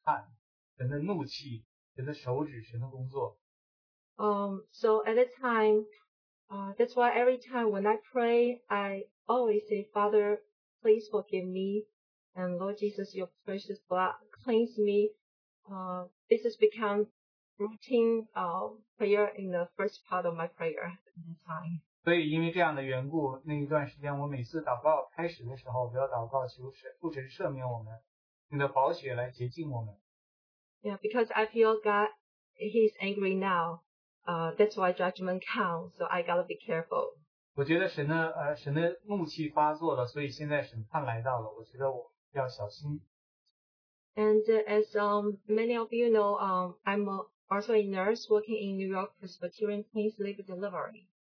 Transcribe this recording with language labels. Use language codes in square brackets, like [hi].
[zh] 那个时候，当我看到了这么多发生的事情，疫情全世界的时候，我就在想到，这个是神的审判，神的怒气，神的手指，神的工作。 [en] So at that time, that's why every time when I pray, I always say, Father, please forgive me, and Lord Jesus, your precious blood cleanse me. This has become routine prayer in the first part of my prayer at that time. [zh] 所以因为这样的缘故，那一段时间我每次祷告开始的时候，我要祷告求神赦免我们，用你的宝血来洁净我们。Yeah, [en] because I feel God, He's angry now. That's why judgment comes. So I gotta be careful. [zh] 我觉得神的怒气发作了，所以现在审判来到了，我觉得我要小心。And [en] as many of you know, I'm also a nurse working in New York Presbyterian Queens Labor Delivery.